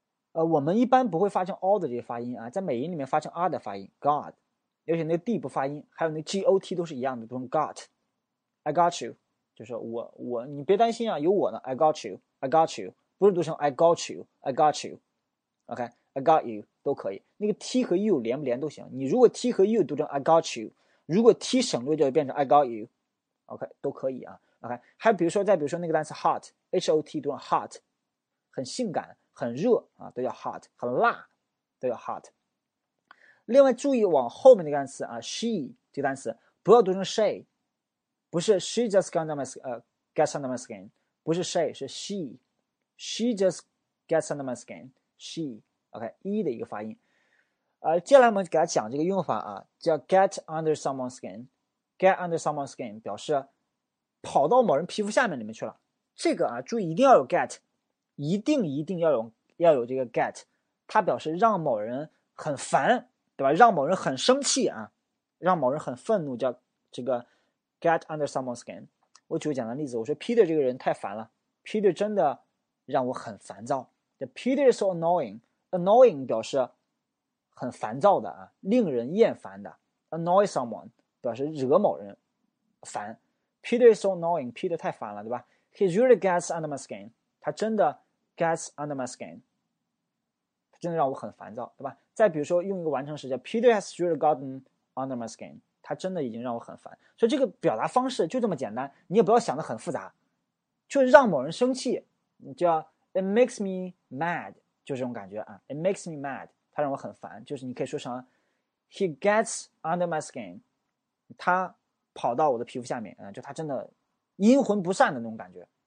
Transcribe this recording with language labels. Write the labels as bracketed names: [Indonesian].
[Chinese] 我们一般不会发成 all 的这个发音啊，在美音里面发成 R 的发音 God，而且那个 D 不发音，还有那 GOT 都是一样的，读成 got， [English] I got you， [Chinese] 就是我你别担心啊，有我呢，I got you，I got you，不是读成 I got you，I got you，OK，I、okay? I got you 都可以，那个 T 和 you 连不连都行。你如果 T 和 you 读成 I got you，如果 T 省略就变成 I got you，OK、okay, 都可以啊。 OK，还有比如说再比如说那个单词 hot，H-O-T 读成 hot，很性感、很热啊，都叫 hot，很辣，都叫 hot。另外注意往后面那个单词啊，she 这个单词不要读成 she，不是 she just got under my get under my skin，不是 she 是 [English] she just gets under my skin， [Chinese] she。 OK，E 的一个发音，接下来我们给他讲这个用法啊，叫 get under someone's skin。 get under someone's skin 表示跑到某人皮肤下面里面去了。这个啊，注意一定要有 get，一定要有这个 get，它表示让某人很烦，对吧？让某人很生气啊，让某人很愤怒，叫这个 get under someone's skin。我举个简单例子，我说 Peter 这个人太烦了，Peter 真的让我很烦躁。 [English] The Peter is so annoying。 [Chinese] Annoying 表示很烦躁的啊，令人厌烦的。 Annoy someone 表示惹某人烦。 [English] Peter is so annoying. [Chinese] Peter 太烦了，对吧？ [English] He really gets under my skin. [Chinese] 他真的 gets under my skin. 他真的让我很烦躁，对吧？再比如说用一个完成时叫 [English] Peter has really gotten under my skin. [Chinese] 他真的已经让我很烦。所以这个表达方式就这么简单，你也不要想得很复杂，就让某人生气，你叫 [English] It makes me mad. [Chinese] 就这种感觉啊， [English] It makes me mad， [Chinese] 他让我很烦。就是你可以说成， [English] He gets under my skin， [Chinese] 他跑到我的皮肤下面，就他真的阴魂不散的那种感觉。